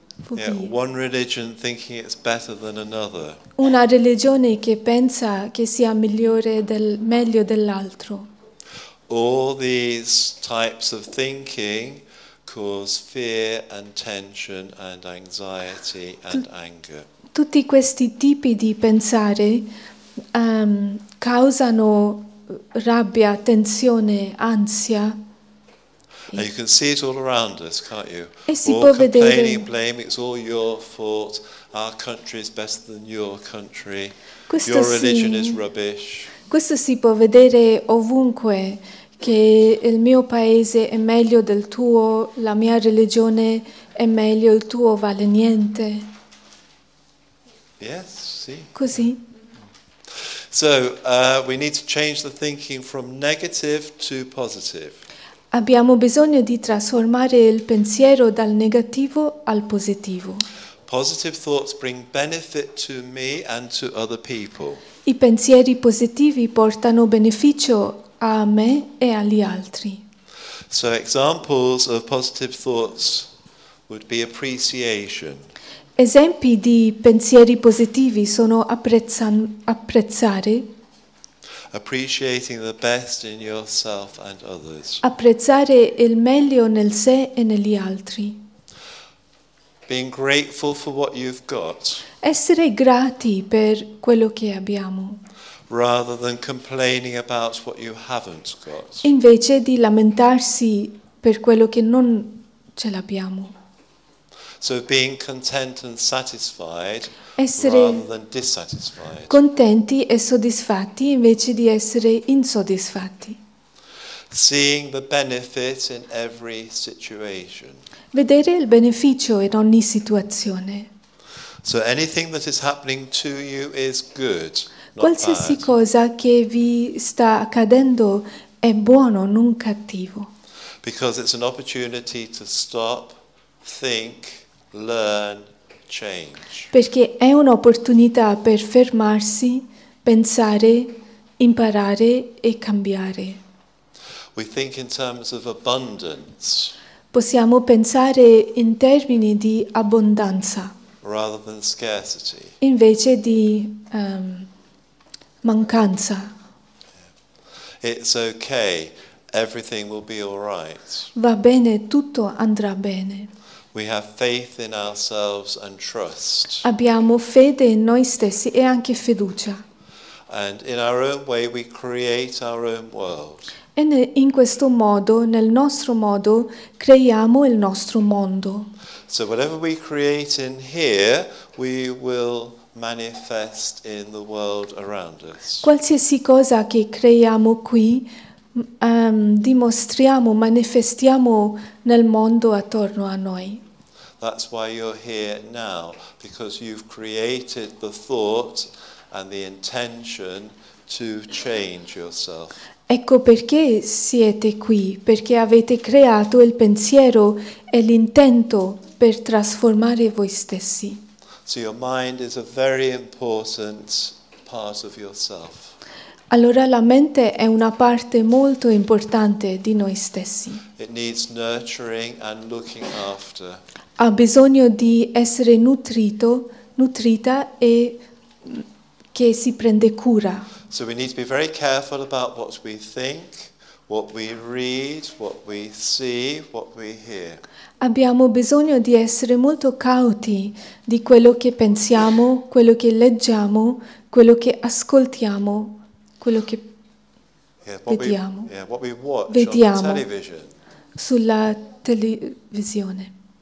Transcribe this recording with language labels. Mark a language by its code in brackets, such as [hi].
[en] Yeah, one religion thinking it's better than another. [it] Una religione che pensa che sia migliore del meglio dell'altro. [en] All these types of thinking cause fear and tension and anxiety and anger. [it] Tutti questi tipi di pensare causano rabbia, tensione, ansia. [en] And you can see it all around us, can't you? [it] E si [en] all [it] può [en] complaining, Blame, it's all your fault. Our country is better than your country. Questo your religion [it] sì. [en] is rubbish. [it] Questo si può vedere ovunque, che il mio paese è meglio del tuo, la mia religione è meglio, il tuo vale niente. [en] Yes, sì. [it] Così. [en] So, we need to change the thinking from negative to positive. [it] Abbiamo bisogno di trasformare il pensiero dal negativo al positivo. [en] Positive thoughts bring benefit to me and to other people. [it] I pensieri positivi portano beneficio a me e agli altri. [en] So examples of positive thoughts would be appreciation. [it] Esempi di pensieri positivi sono apprezzare. [en] Appreciating the best in yourself and others. [it] Apprezzare il meglio nel sé e negli altri. [en] Being grateful for what you've got. [it] Essere grati per quello che abbiamo. [en] Rather than complaining about what you haven't got. [it] Invece di lamentarsi per quello che non ce l'abbiamo. [en] So being content and satisfied. [it] Essere [en] rather than dissatisfied. [it] Contenti e soddisfatti invece di essere insoddisfatti. [en] Seeing the benefit in every situation. [it] Vedere il beneficio in ogni situazione. [en] So anything that is happening to you is good, not [it] qualsiasi [en] bad. [it] Cosa che vi sta accadendo è buono, non cattivo. [en] Because it's an opportunity to stop, think, learn, change. [it] Perché è un'opportunità per fermarsi, pensare, imparare e cambiare. [en] We think in terms of abundance. [it] Possiamo pensare in termini di abbondanza. [en] Rather than scarcity. [it] Invece di mancanza. [en] It's okay. Everything will be all right. [it] Va bene, tutto andrà bene. [en] We have faith in ourselves and trust. [it] Abbiamo fede in noi stessi e anche fiducia. [en] And in our own way we create our own world. [it] E in questo modo, nel nostro modo, creiamo il nostro mondo. [en] So whatever we create in here, we will manifest in the world around us. [it] Qualsiasi cosa che creiamo qui, dimostriamo, manifestiamo nel mondo attorno a noi. [en] That's why you're here now, because you've created the thought and the intention to change yourself. [it] Ecco perché siete qui, perché avete creato il pensiero e l'intento per trasformare voi stessi. [en] So your mind is a very important part of yourself. [it] Allora la mente è una parte molto importante di noi stessi. [en] It needs nurturing and looking after. [it] Ha bisogno di essere nutrito, nutrita e che si prende cura. [en] So we need to be very careful about what we think, what we read, what we see, what we hear. [it] Abbiamo bisogno di essere molto cauti di quello che pensiamo, quello che leggiamo, quello che ascoltiamo, quello che vediamo. [en] What we watch vediamo on the television. [it] Sulla televisione.